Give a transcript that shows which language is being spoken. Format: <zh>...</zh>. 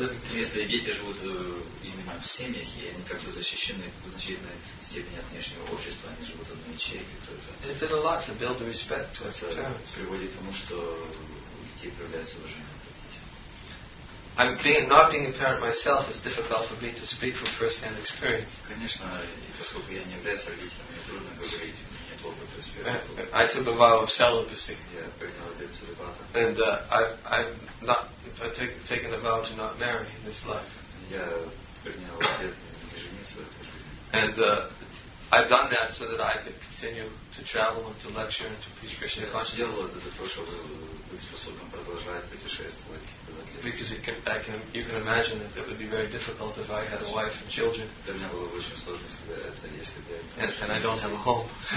<ru>Если дети живут именно в семьях, и они как-то защищены в значительной степени от внешнего общества, они живут в одной ячейке, то это приводит к тому, что у детей проявляется уважение.</ru> <en>I'm being not being a parent myself is difficult for me to speak from first-hand experience.</en> <ru>Конечно, поскольку я не являюсь родителем, мне трудно говорить, у меня нет опыта.</ru> <en>I took a vow of celibacy.</en> <ru>Я принял обет целибата.</ru> <en>And I've taken a vow to not marry in this life.</en> <ru>Я принял обет не жениться в этой жизни.</ru> <en>And I've done that so that I could continue to travel and to lecture and to preach Krishna consciousness.</en> <ru>Сделал это для того, чтобы быть способным продолжать путешествовать.</ru> <en>Because you can imagine that it would be very difficult if I had a wife and children. And I don't have a home.</en>